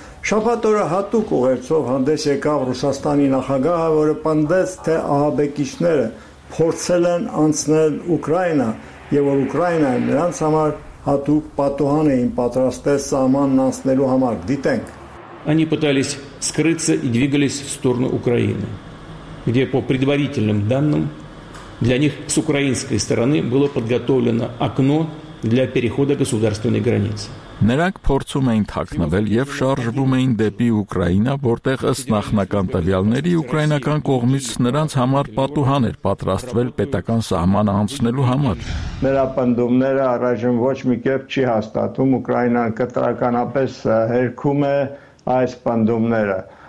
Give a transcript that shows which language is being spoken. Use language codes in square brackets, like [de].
[hy] Շաբաթ օրը հատուկ ուղերձով հանդես եկավ Ռուսաստանի նախագահը, որը պնդեց, թե ահաբեկիչները փորձել են անցնել Ուկրաինա, և որ Ուկրաինան նրանց համար հատուկ պատուհան էին պատրաստել սահմանն անցնելու համար։ Դիտենք։ [ru] Они пытались скрыться и двигались в сторону Украины, где по предварительным данным для них с украинской стороны было подготовлено окно для перехода государственной границы. [hy] Նրանք փորձում էին թաքնվել եւ շարժվում էին դեպի Ուկրաինա, որտեղ ըստ նախնական տվյալների ուկրաինական կողմից նրանց համար պատուհան էր պատրաստվել պետական սահմանը անցնելու համար։ Նրա պնդումները առայժմ ոչ մի կերպ չի հաստատում, Ուկրաինան կտրականապես հերքում է այս պնդումները։